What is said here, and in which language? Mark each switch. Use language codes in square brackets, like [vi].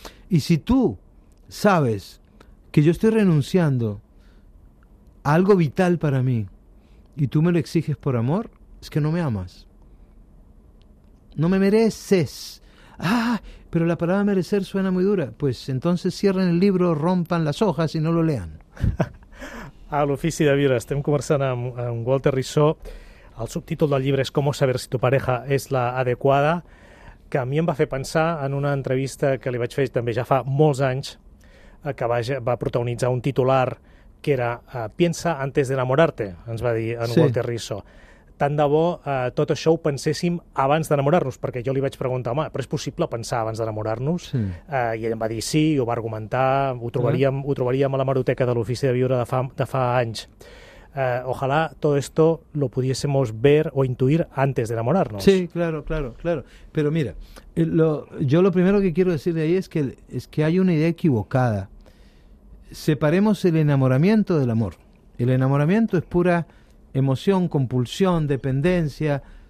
[es] Y si tú sabes que yo estoy renunciando a algo vital para mí y tú me lo exiges por amor, es que no me amas. No me mereces. ¡Ah! Pero la palabra merecer suena muy dura. Pues entonces cierren el libro, rompan las hojas y no lo lean. [ca] A l'Ofici de Viure. Estem conversant amb Walter Rissó. El subtítol del llibre és [es] Cómo saber si tu pareja es la adecuada, [ca] que a mi em va fer pensar en una entrevista que li vaig fer també ja fa molts anys, que va protagonitzar un titular que era [es] Piensa antes de enamorarte, [ca] ens va dir en, sí, Walter Rissó. Tant de bo tot això ho penséssim abans d'enamorar-nos, perquè jo li vaig preguntar, home, però és possible pensar abans d'enamorar-nos? Sí. I ell em va dir sí, ho va argumentar, ho trobaríem a la hemeroteca de l'Ofici de Viure de fa anys. [es] Ojalá todo esto lo pudiésemos ver o intuir antes de enamorarnos. Sí, claro, claro, claro. Pero mira, lo primero que quiero decir de ahí es que hay una idea equivocada. Separemos el enamoramiento del amor. El enamoramiento es pura emoción, compulsión, dependencia.